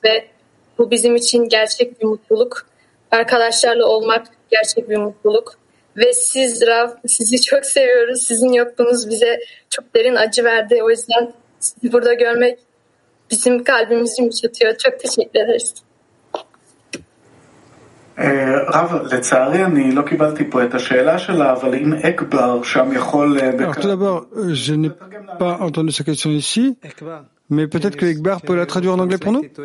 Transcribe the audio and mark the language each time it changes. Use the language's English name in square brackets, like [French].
[Turkish] Ve bu bizim için gerçek bir mutluluk. Arkadaşlarla olmak gerçek bir mutluluk. Ve siz Rav, sizi çok seviyoruz. Sizin yokluğunuz bize çok derin acı verdi. O yüzden sizi burada görmek bizim kalbimizi yumuşatıyor. Çok teşekkür ederiz. [Hebrew] Rav, לצערי אני לא קיבלתי פה את השאלה שלה, אבל אם אקבר שם יכול... [French] Alors tout d'abord, je n'ai pas entendu sa question ici, mais peut-être que Ekbar peut la traduire en anglais pour nous.